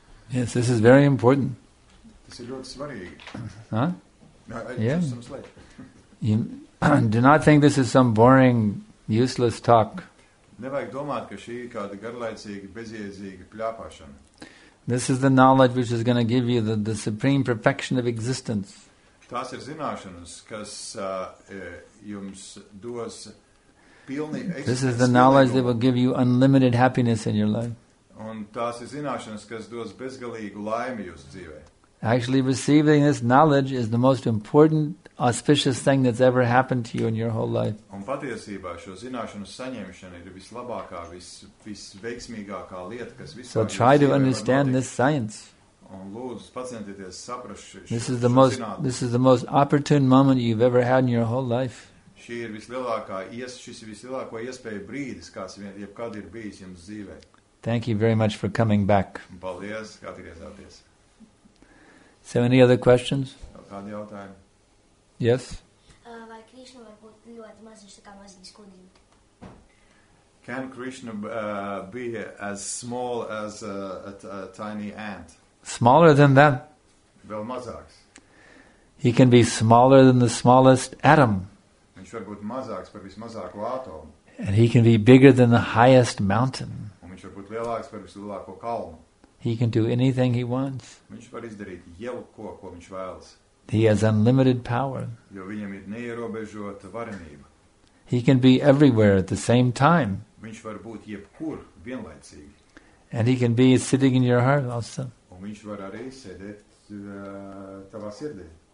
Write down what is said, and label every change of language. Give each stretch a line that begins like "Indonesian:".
English: Yes, this is very important. Do not think this is some boring, useless talk.
Latvian: Nevajag domāt, ka šī ir kāda garlaicīga, bezjēdzīga pļāpāšana.
English: This is the knowledge which is going to give you the supreme perfection of existence.
Latvian: Tās ir zināšanas, kas jums dos pilnī eksistenci.
English: This is the knowledge that will give you unlimited happiness in your life.
Latvian: Un tās ir zināšanas, kas dos bezgalīgu laimi jūsu dzīvē.
English: Actually, receiving this knowledge is the most important auspicious thing that's ever happened to you in your whole life.
Latvian: Un patiesībā šo zināšanu saņemšana ir vislabākā, visveiksmīgākā lieta, kas visā.
English: So try to understand this science.
Latvian: Un lūdzu, pacientieties saprast šo.
English: This is the most opportune moment you've ever had in your whole life.
Latvian: Šis ir vislielāko iespēju brīdis, kāds vien jebkad ir bijis jums dzīvē.
English: Thank you very much for coming back.
Latvian: Paldies, ka atgriezāties.
English: So any other questions?
Latvian: Kādi jautājumi?
English: Yes.
Latvian: Vai Krishna var būt ļoti maziņš, tā kā maziņš kudiņš?
English: Can Krishna be as small as a tiny ant? Smaller than that?
Latvian: Vēl mazāks.
English: He can be smaller than the smallest atom.
Latvian: Viņš var būt mazāks par vismazāko atomu.
English: And he can be bigger than the highest mountain.
Latvian: Un viņš var būt lielāks par vislielāko kalnu.
English: He can do anything he wants.
Latvian: Viņš var izdarīt jebko, ko viņš vēlas.
English: He has unlimited power.
Latvian: Jo viņam ir neierobežota varenība.
English: He can be everywhere at the same time.
Latvian: Viņš var būt jebkur vienlaicīgi.
English: And he can be sitting in your heart also.
Latvian: Un viņš var arī sēdēt tavā sirdī.